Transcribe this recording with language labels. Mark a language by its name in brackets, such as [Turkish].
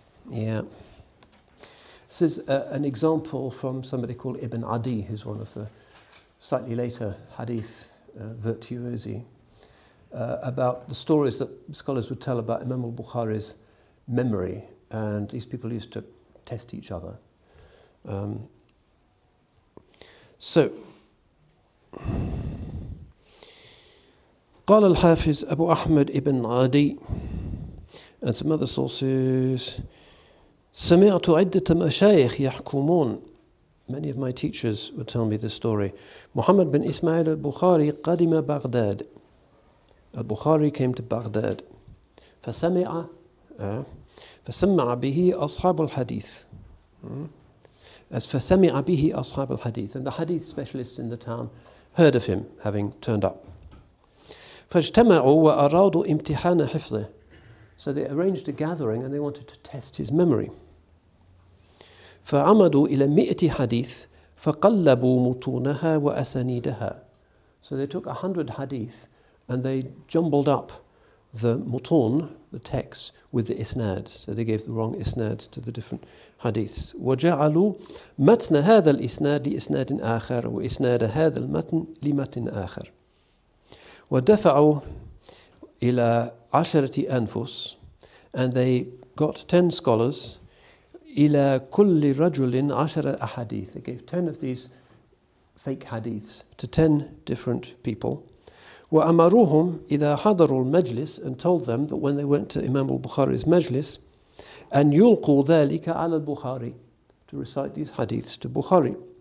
[English] Yeah. This is an example from somebody called Ibn Adi, who's one of the slightly later hadith virtuosi, about the stories that scholars would tell about Imam al-Bukhari's memory. And these people used to test each other. [Arabic] So, قال الحافظ أبو أحمد ابن عدي [English] and some other sources. [Arabic] سمعت عدة مشايخ يحكمون. [English] Many of my teachers would tell me this story. Muhammad bin Ismail al-Bukhari [Arabic] قدم بغداد. [English] Al-Bukhari came to Baghdad. [Arabic] فسمع به أصحاب الحديث. [English] As [Arabic] فَسَمِعَ بِهِ أَصْحَابَ الْحَدِيثِ, [English] and the hadith specialists in the town heard of him having turned up. [Arabic] فَاجْتَمَعُوا وَأَرَادُوا إِمْتِحَانَ حِفْظِهِ, [English] so they arranged a gathering and they wanted to test his memory. [Arabic] فَعَمَدُوا إِلَى مِئَةِ حَدِيثٍ فَقَلَّبُوا مُتُونَهَا وَأَسَانِيدَهَا, [English] so they took 100 hadith and they jumbled up the mutun, the text, with the isnad. So they gave the wrong isnad to the different hadiths. [Arabic] وَجَعَلُوا مَتْنَ هَذَا الْإِسْنَادِ لِإِسْنَادٍ آخَرَ وَإِسْنَادَ هَذَا الْمَتْنِ لِمَتْنٍ آخَرَ وَدَفَعُوا إِلَى عَشَرَةِ أَنْفُسٍ, [English] and they got 10 scholars. [Arabic] إِلَى كُلِّ رَجُلٍ عَشَرَ أَحَدِيثٍ, [English] they gave 10 of these fake hadiths to 10 different people. [Arabic] وَأَمَرُوهُمْ إِذَا حَضَرُوا الْمَجْلِسِ, [English] and told them that when they went to Imam al-Bukhari's majlis, and [Arabic] yulqu dhalika ala al-Bukhari, [English] to recite these hadiths to Bukhari.